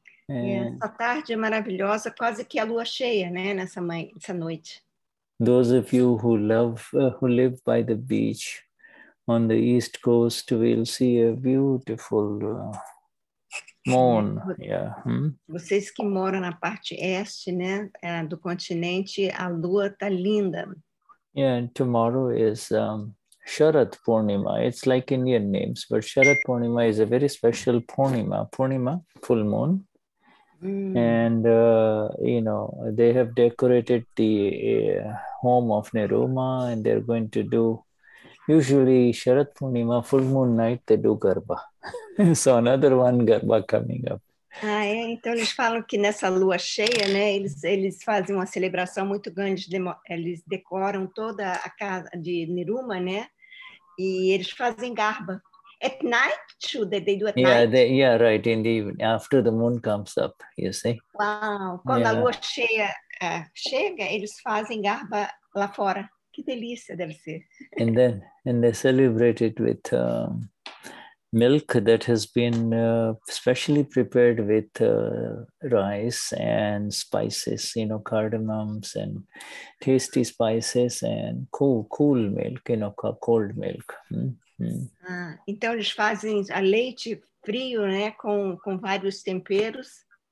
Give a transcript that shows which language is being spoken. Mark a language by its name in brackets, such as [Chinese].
[Portuguese] Essa tarde é maravilhosa, quase que a lua cheia, né, nessa noite. [English] Those of you who live by the beach on the east coast will see a beautiful moon. Yeah. [Portuguese] Vocês que moram na parte este, né, do continente, a lua tá linda. [English] Yeah, and tomorrow is Sharad Purnima. It's like Indian names, but Sharad Purnima is a very special Purnima. Purnima, full moon. And, you know, they have decorated the home of Neruma, and they're going to do, usually Sharad Purnima, full moon night, they do Garba. So another one Garba coming up. [Portuguese] Ah, é? Então eles falam que nessa lua cheia, né, eles fazem uma celebração muito grande, eles decoram toda a casa de Neruma, né, e eles fazem Garba. [English] At night, too, that they do at yeah, night? Yeah, right, in the evening, after the moon comes up, you see. [Portuguese] Wow, quando [English] yeah. [Portuguese] A lua cheia chega, eles fazem Garba lá fora. Que delícia, deve ser. [English] And they celebrate it with milk that has been specially prepared with rice and spices, you know, cardamoms and tasty spices and cool milk, you know, cold milk. [Portuguese] Ah, então eles fazem a leite frio, né, com vários temperos.